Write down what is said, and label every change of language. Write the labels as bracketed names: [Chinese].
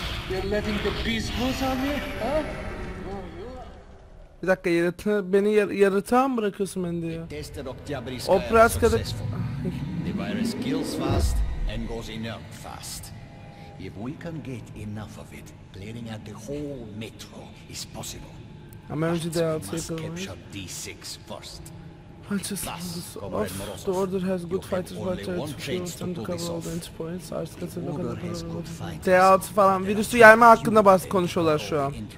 [English] You're letting the beast loose on me, huh? [Turkish] Bir dakika, beni yaratığa mı bırakıyorsun beni diyor. Operaskada... [English] The virus kills fast and goes inert fast. If we can get enough of it, clearing out the whole metro is possible. I'm going to but we must capture D6 first. I'll just hold this off. The order has good fighters, but I have to cover all the entry points. The order has good fighters. [Turkish] D6 falan virüsü yayma hakkında bazı konuşuyorlar şu an.